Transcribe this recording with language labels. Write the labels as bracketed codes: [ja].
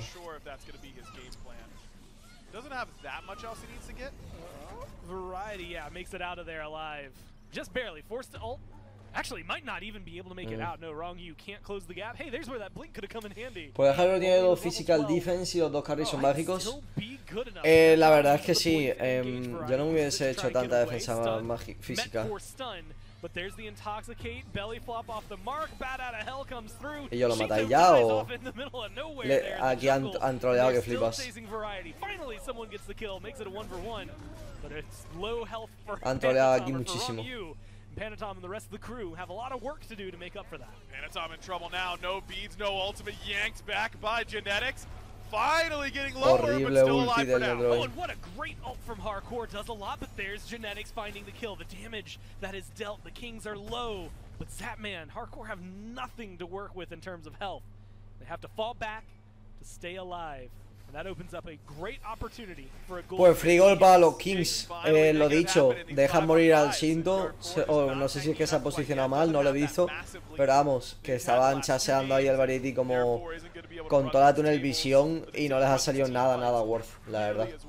[en] I'm not sure if that's going to be his game plan. Doesn't have that much else he needs to get. Variety, yeah, makes it out of there alive. Just barely forced to ult. Actually, might not even be able to make it out. No, Rong Yu can't close the gap. Hey, there's where that blink could have come in handy. [es] Puede dejarlo, tiene dos physical defense y los dos carries son mágicos. La verdad es que sí. Yo no hubiese hecho tanta defensa física. [en] But there's the intoxicate, belly flop off the mark, bat out of hell comes through. [es] Y yo lo maté ya, o aquí han troleado que flipas. [en] Finally, someone gets the kill, makes it a 1v1, but it's low health for. [es] Han troleado aquí muchísimo. [en] Panatom and the rest of the crew have a lot of work to do to make up for that. Panatom in trouble now. No beads, no ultimate. Yanked back by Genetics. Finally getting lower, horrible, but still alive for now. Oh, and what a great ult from Harkor. Does a lot, but there's Genetics finding the kill. The damage that is dealt. The Kings are low. But Zapman, Harkor have nothing to work with in terms of health. They have to fall back to stay alive. That opens up a great opportunity for a goal. [es] Pues free goal para los Kings, lo dicho, dejan morir al Shinto, no sé si es que se ha posicionado mal, no lo he visto, pero vamos, que estaban chaseando ahí el Variety como con toda la túnel visión y no les ha salido nada, nada worth, la verdad.